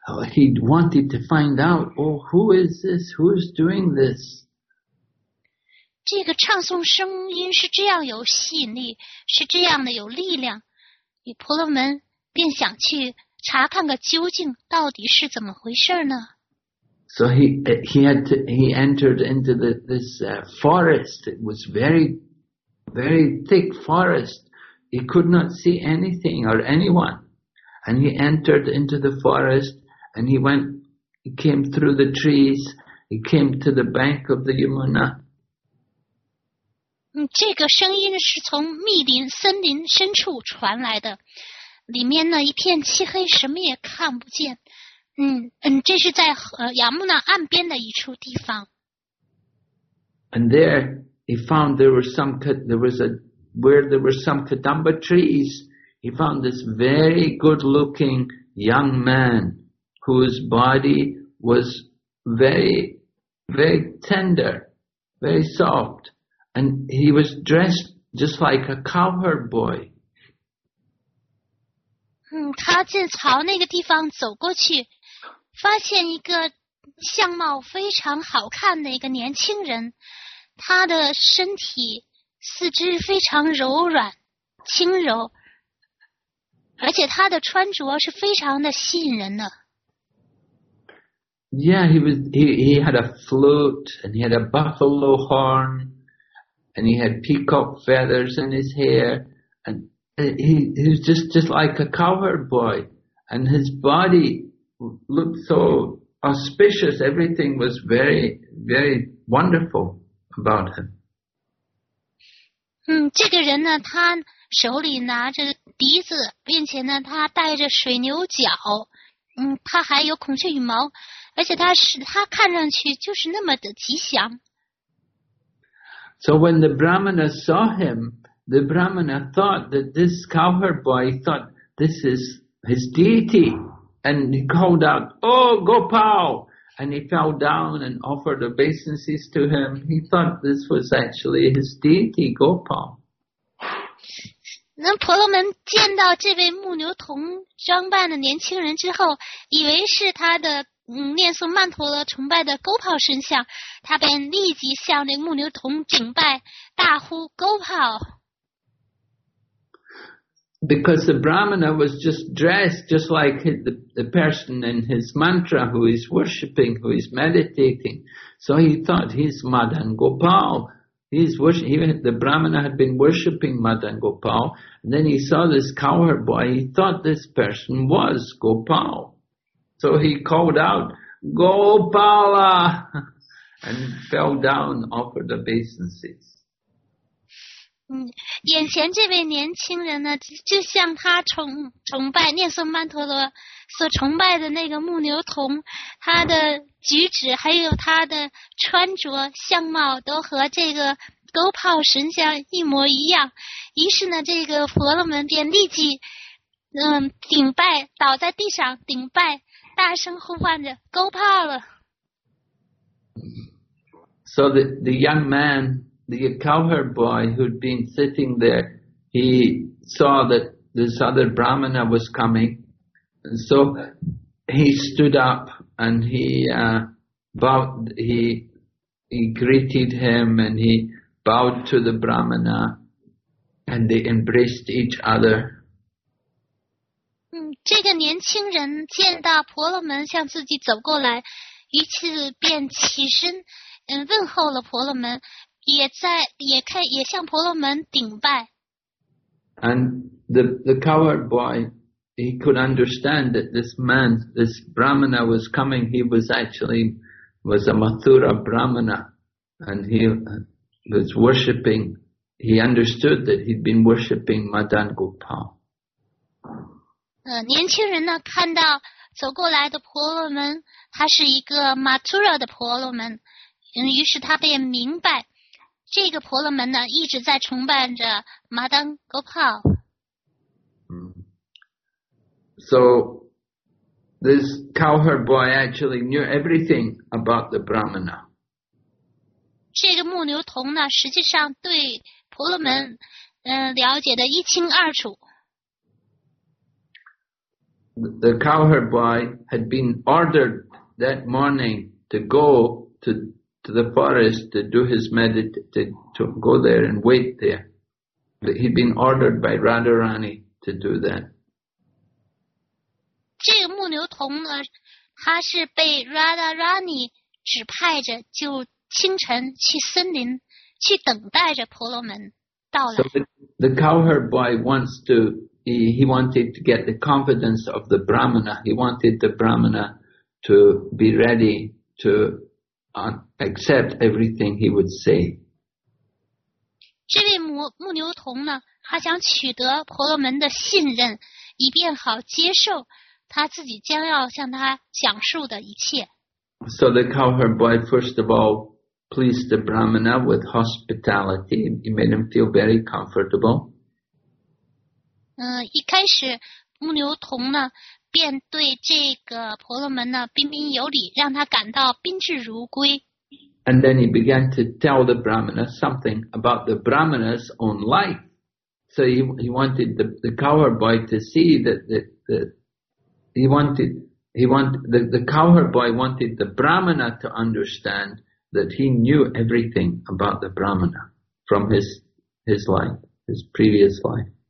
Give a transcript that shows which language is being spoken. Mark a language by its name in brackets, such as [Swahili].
[English] He wanted to find out, oh, who is this? Who is doing this? [Chinese] 这个唱诵声音是这样有吸引力，是这样的有力量，与婆罗门便想去查看个究竟，到底是怎么回事呢？ [English] So he had to, he entered into the, this forest. It was very, very thick forest. He could not see anything or anyone. And he entered into the forest and he went, he came through the trees. He came to the bank of the Yamuna. [Chinese] 这个声音是从密林森林深处传来的，里面呢一片漆黑，什么也看不见。这是在亚木那岸边的一处地方。 [English] And there he found there were some kadamba trees. He found this very good looking young man whose body was very very tender, very soft. And he was dressed just like a cowherd boy. [Chinese] 他正朝那个地方走过去，发现一个相貌非常好看的一个年轻人，他的身体四肢非常柔软轻柔，而且他的穿着是非常的吸引人的。 [English] Yeah, he had a flute and he had a buffalo horn. And he had peacock feathers in his hair, and he was just like a cowherd boy, and his body looked so auspicious. Everything was very, very wonderful about him. [Chinese] 这个人呢，他手里拿着笛子，并且呢，他戴着水牛角，他还有孔雀羽毛，而且他看上去就是那么的吉祥。 [English] So when the Brahmana saw him, the Brahmana thought that this cowherd boy thought this is his deity. And he called out, Oh, Gopal! And he fell down and offered obeisances to him. He thought this was actually his deity, Gopal. [Chinese] 那婆罗门见到这位牧牛童装扮的年轻人之后，以为是他的念诵曼陀罗崇拜的 Gopal 神像，他便立即向那牧牛童顶拜，大呼 Gopal。 [English] Because the Brahmana was just dressed just like the person in his mantra who is worshipping, who is meditating, so he thought he's Madan Gopal. He's worshipping. The Brahmana had been worshipping Madan Gopal, and then he saw this cowherd boy. He thought this person was Gopal. So he called out, Gopala, and fell down, offered obeisances. [Chinese] 眼前这位年轻人呢，就像他崇拜念诵曼陀罗所崇拜的那个牧牛童，他的举止还有他的穿着相貌都和这个 Gopal 神像一模一样。于是呢，这个婆罗门便立即顶拜，倒在地上顶拜。大声呼唤着 Gopal 了。 [English] So the young man, the cowherd boy who'd been sitting there, he saw that this other Brahmana was coming, and so he stood up and he greeted him and he bowed to the Brahmana, and they embraced each other. [Chinese] 这个年轻人见到婆罗门向自己走过来，于是便起身问候了婆罗门，也向婆罗门顶拜。 [English] And the coward boy, he could understand that this man, this Brahmana was coming. He was actually was a Mathura Brahmana, and he was worshipping. He understood that he'd been worshipping Madan Gopal. [Chinese] 年轻人呢看到走过来的婆罗门，他是一个 Mathura 的婆罗门，于是他便明白这个婆罗门呢一直在崇拜着 Madan Gopal。 [English] So this cowherd boy actually knew everything about the Brahmana. [Chinese] 这个牧牛童呢实际上对婆罗门了解的一清二楚。 [English] The cowherd boy had been ordered that morning to go to the forest to do his meditation, to go there and wait there. But he'd been ordered by Radharani to do that. [Chinese] 这个牧牛童呢，他是被 Radharani 指派着，就清晨去森林去等待着婆罗门到来。 [English] So the cowherd boy wants to, he wanted to get the confidence of the Brahmana. He wanted the Brahmana to be ready to accept everything he would say. [Chinese] 这位牧牛童呢，他想取得婆罗门的信任，以便好接受他自己将要向他讲述的一切。 [English] So the cowherd boy first of all pleased the Brahmana with hospitality. He made him feel very comfortable. [Chinese] 一开始牧牛童呢便对这个婆罗门呢彬彬有礼，让他感到宾至如归。 [English] And then he began to tell the Brahmana something about the Brahmana's own life. So he wanted the cowherd boy to see that the cowherd boy wanted the Brahmana to understand that he knew everything about the Brahmana from his life, his previous life.